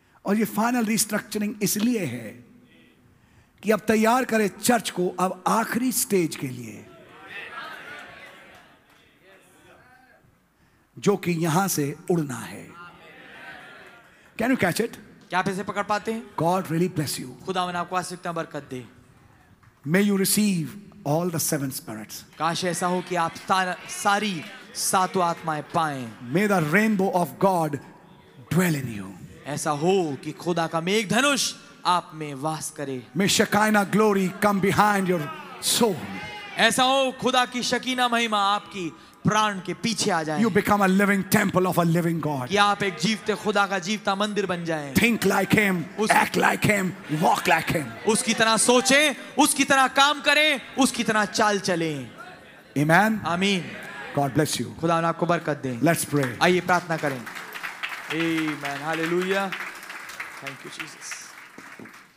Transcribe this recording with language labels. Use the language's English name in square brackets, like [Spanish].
[Hindi] और ये final restructuring इसलिए है कि अब तैयार करे चर्च को अब आखिरी स्टेज के लिए, जो कि यहां से उड़ना है. [English] Can you catch it? [Hindi] क्या आप इसे पकड़ पाते हैं? [English] God really bless you. [Hindi] खुदावन आपको आशीर्वाद बरकत दे. [English] May you receive All the seven spirits. [Hindi] काश ऐसा हो कि आप सारी सातों आत्माएं पाएं. [English] May the rainbow of God dwell in you. [Hindi] ऐसा हो कि खुदा का मेघ धनुष आप में वास करे. [English] May Shekinah glory come behind your soul. [Hindi] ऐसा हो खुदा की शकीना महिमा आपकी प्राण के पीछे आ जाए. [English] You become a living temple of a living God. [Hindi] कि आप एक जीवते खुदा का जीवता मंदिर बन जाएं. [English] Think like him, act like him, walk like him. [Hindi] उसकी तरह सोचें, उसकी तरह काम करें, उसकी तरह चाल चलें. [English] Amen. [Hindi] आमीन. [English] God bless you. [Hindi] खुदा आपने आपको बरकत दे. [English] Let's pray. [Hindi] आइए प्रार्थना करें. [English] Amen. Hallelujah. Thank you, Jesus.